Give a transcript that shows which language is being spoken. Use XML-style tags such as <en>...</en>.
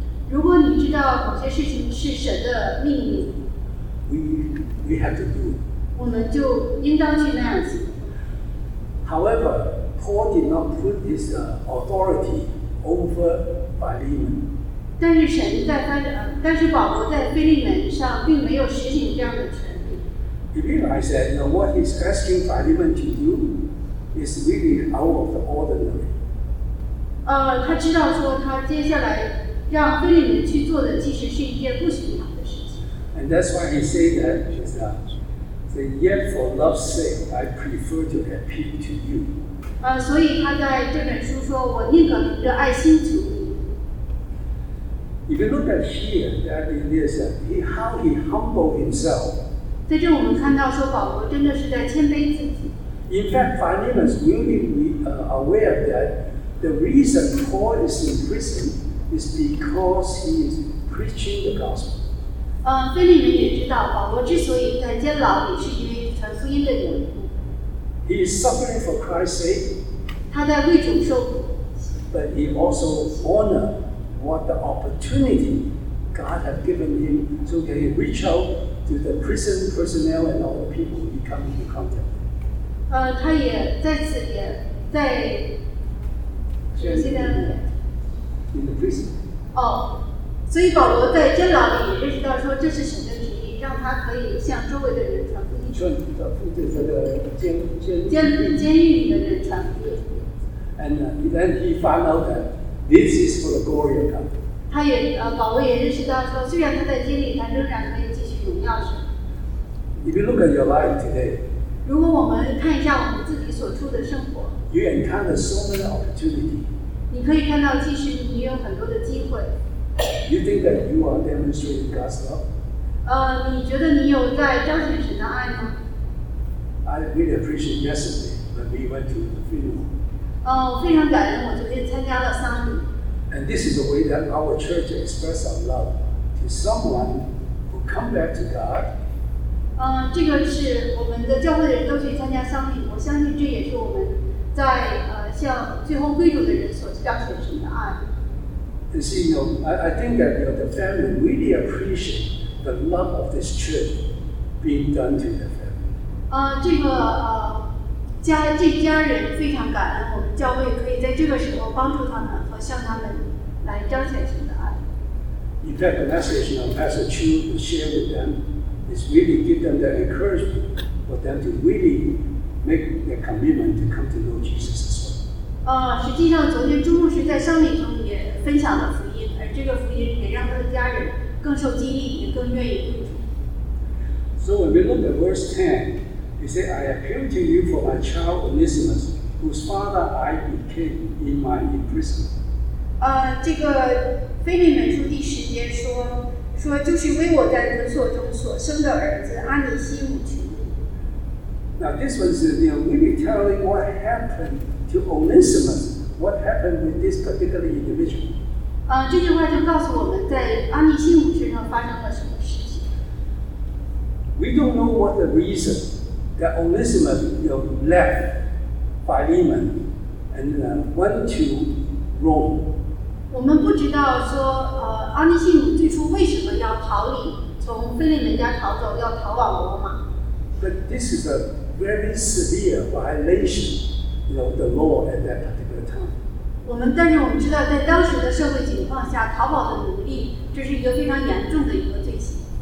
<zh>如果你知道某些事情是神的命令</zh> <en>，we have to do.</en> <zh>我们就应当去那样子。</zh> <en>However, Paul did not put his authority over Philemon.</en> <zh>但是保罗在腓利门上并没有实行这样的权利。</zh> <en>He realized that what he's asking Philemon to do is really out of the ordinary.</en> <zh>他知道说他接下来让腓利门去做的其实是一件不寻常的事情。</zh> <en>And that's why he said that, he said, yet for love's sake, I prefer to appeal to you.</en> <zh>所以他在这本书说，我宁可凭着爱心主。</zh> <en>If you look at here, that is how he humbled himself.</en> <zh>在这我们看到说保罗真的是在谦卑自己。</zh> <en>In fact, Philemon is really aware that the reason Paul is in prison is because he is preaching the gospel.</en> <zh>腓利门也知道保罗之所以在监牢里是因为传福音的缘故。</zh> <en>He is suffering for Christ's sake.</en> <zh>他在为主受苦。</zh> <en>But he also honored. What the opportunity God has given him so he can reach out to the prison personnel and all the people he comes into contact with.</en> <zh>他也在此也在监狱里面。</zh> <en>In the prison.</en> <zh>所以保罗在监牢里也认识到说这是神的旨意，让他可以向周围的人传福音。劝他负责这个监狱里的人传福音。</zh> <en>And then he found out that. This is for the glory of God.</en> <zh>他也保罗也认识到说，虽然他在监狱，他仍然可以继续荣耀神。</zh> <en>If you look at your life today,</en> <zh>如果我们看一下我们自己所处的生活</zh> <en>，you encounter so many opportunities.</en> <zh>你可以看到，其实你有很多的机会。</zh> <en>You think that you are demonstrating God's love?</en> <zh>你觉得你有在彰显神的爱吗</zh> <en>？I really appreciate yesterday when we went to the funeral.</en> <zh>非常感恩，我昨天参加了丧礼。</zh> <en>And this is the way that our church express our love to someone who come back to God.</en> <zh>这个是我们的教会的人都去参加丧礼，我相信这也是我们在向最后归主的人所表现出的爱。</zh> <en>You see, I think that the family really appreciate the love of this church being done to the family.</en> <zh>这家人非常感恩，我们教会可以在这个时候帮助他们和向他们来彰显神的爱。</zh> <en>In fact, the message Pastor Chu would share with them is really give them the encouragement for them to really make their commitment to come to know Jesus as well.</en> <zh>实际上昨天朱牧师在商礼中也分享了福音，而这个福音也让他的家人更受激励，也更愿意入主。</zh> <en>So when we look at verse 10, he said, I appeal to you for my child Onesimus, whose father I became in my imprisonment.</en> <zh>这个腓立门书第十节说就是为我在勒索中所生的儿子阿尼西姆求你。</zh> <en>Now this one is really telling what happened to Onesimus, what happened with this particular individual.</en> <zh>这句话就告诉我们在阿尼西姆身上发生了什么事情。</zh> <en>We don't know what the reason that Onesimus left Philemon and went to Rome.</en> <zh>我们不知道说阿尼西姆最初为什么要逃离，从腓立门家逃走，要逃往罗马。</zh> <en>But this is a very severe violation of the law at that particular time.</en> <zh>但是我们知道在当时的社会情况下，逃跑的奴隶，这是一个非常严重的一个罪行。</zh>